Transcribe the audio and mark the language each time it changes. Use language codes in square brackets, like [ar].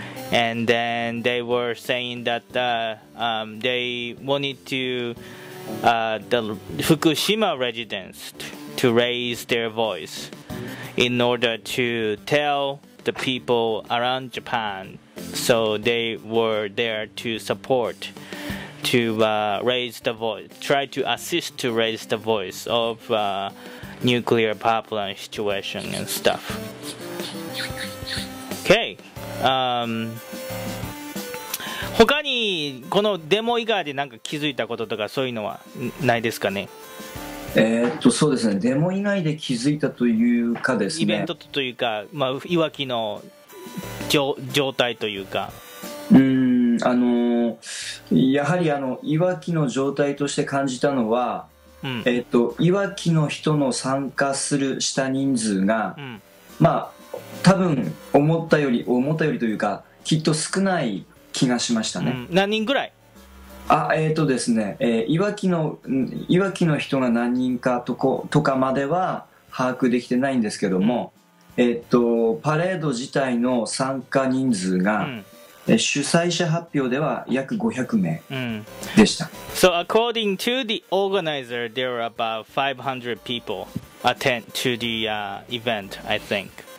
[en] And then they were saying that they wanted to the Fukushima residents to raise their voice in order to tell the people around Japan. So they were there to support, to raise the voice, try to assist to raise the voice of nuclear power plant situation and stuff. Okay. [ja] 他にこのデモ以外で何か気づいたこととかそういうのはないですかね。そうですね、デモ以外で気づいたというかですね、イベントというか、まあ、いわきの状態というか、やはりいわきの状態として感じたのは、うん、いわきの人の参加するした人数が、うん、まあ多分思ったよりというかきっと少ない気がしましたね、うん、何人ぐらい。ですね、いわきの人が何人か とかまでは把握できてないんですけども、うん、パレード自体の参加人数が、うん、主催者発表では約500名でした、 [en] うん、So according to the organizer, there are about 500 people attend to the event, I think.